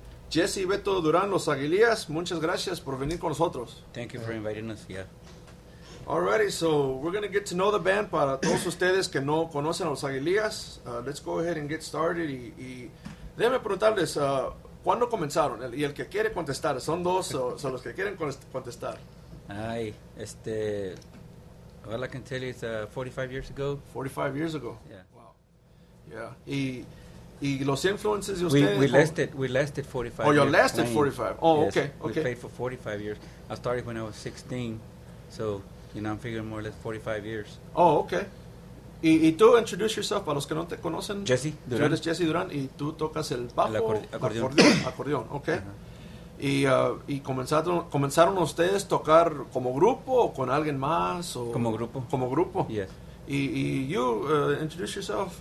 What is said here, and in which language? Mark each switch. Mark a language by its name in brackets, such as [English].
[Spanish] Jesse Beto Duran, Los Aguilillas, muchas gracias por venir con nosotros. [English] Thank you for inviting us, yeah. Alrighty, so we're going to get to know the band. [Spanish] Para todos ustedes que no conocen a Los Aguilillas, [English] let's go ahead and get started. [Spanish] Y déjame preguntarles, ¿cuándo comenzaron? Y el que quiere contestar, son dos, son los que quieren contestar. Ay, este... [English] All I can tell you is 45 years ago. 45 years ago. Yeah. Wow. Yeah. [Spanish] Y los [English] influences We lasted 45 years. Oh, you lasted 45. Oh, yes. Okay. We played for 45 years. I started when I was 16. So, you know, I'm figuring more or less 45 years. Oh, okay. [Spanish] Y tú [English] introduce yourself [Spanish] para los que no te conocen. Jesse Duran. Tú eres Jesse Duran y tú tocas el bajo. El acordeón. Acordeón, okay. Uh-huh. Y comenzaron ustedes a tocar como grupo o con alguien más? O como grupo. [English] Yes. Y you introduce yourself.